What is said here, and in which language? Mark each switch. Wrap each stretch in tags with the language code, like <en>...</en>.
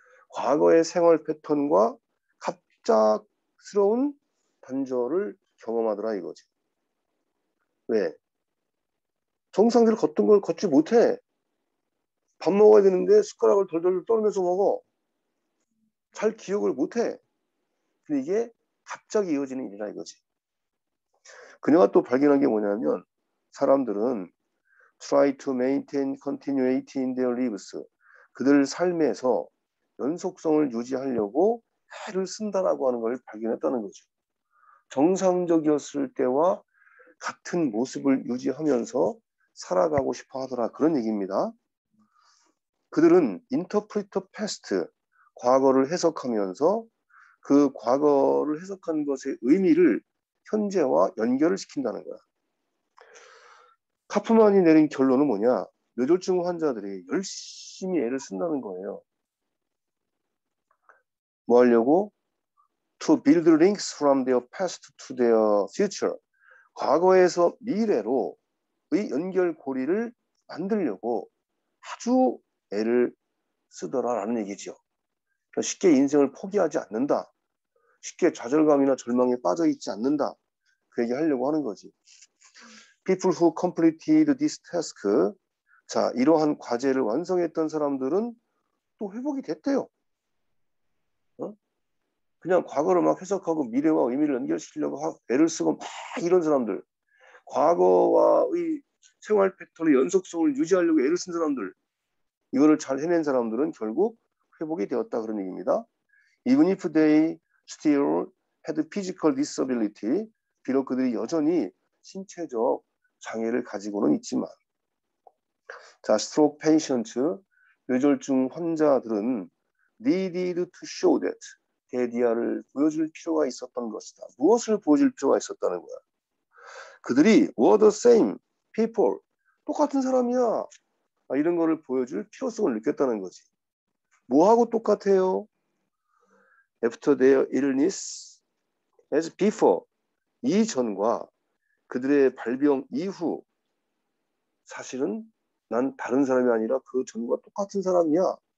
<ko>과거의 생활 패턴과 갑작스러운 단절을 경험하더라 이거지. 왜? 정상적으로 걷던 걸 걷지 못해. 밥 먹어야 되는데 숟가락을 덜덜덜 떨면서 먹어. 잘 기억을 못해. 근데 이게 갑자기 이어지는 일이라 이거지. 그녀가 또 발견한 게 뭐냐면 사람들은</ko> <en>try to maintain continuity in their lives.</en> <ko>그들 삶에서 연속성을 유지하려고 애를 쓴다라고 하는 걸 발견했다는 거죠. 정상적이었을 때와 같은 모습을 유지하면서 살아가고 싶어 하더라. 그런 얘기입니다. 그들은</ko> <en>interpret past,</en> <ko>과거를 해석하면서 그 과거를 해석한 것의 의미를 현재와 연결을 시킨다는 거야. 카프만이 내린 결론은 뭐냐? 뇌졸중 환자들이 열심히 애를 쓴다는 거예요. 뭐 하려고?</ko> <en>To build links from their past to their future.</en> <ko>과거에서 미래로의 연결고리를 만들려고 아주 애를 쓰더라라는 얘기죠. 쉽게 인생을 포기하지 않는다. 쉽게 좌절감이나 절망에 빠져있지 않는다. 그 얘기하려고 하는 거지.</ko> <en>People who completed this task.</en> <ko>자, 이러한 과제를 완성했던 사람들은 또 회복이 됐대요. 그냥 과거를 막 해석하고 미래와 의미를 연결시키려고 애를 쓰고 막 이런 사람들, 과거와의 생활 패턴의 연속성을 유지하려고 애를 쓴 사람들, 이거를 잘 해낸 사람들은 결국 회복이 되었다 그런 얘기입니다.</ko> <en>Even if they still had physical disability,</en> <ko>비록 그들이 여전히 신체적 장애를 가지고는 있지만,</ko> <en>자, stroke patients,</en> <ko>뇌졸중 환자들은</ko> <en>needed to show that.</en> <ko>대디아를 보여줄 필요가 있었던 것이다. 무엇을 보여줄 필요가 있었다는 거야. 그들이</ko> <en>were the same people,</en> <ko>똑같은 사람이야. 아, 이런 거를 보여줄 필요성을 느꼈다는 거지. 뭐하고 똑같아요?</ko> <en>After their illness, as before,</en> <ko>이전과 그들의 발병 이후, 사실은 난 다른 사람이 아니라 그 전과 똑같은 사람이야.</ko>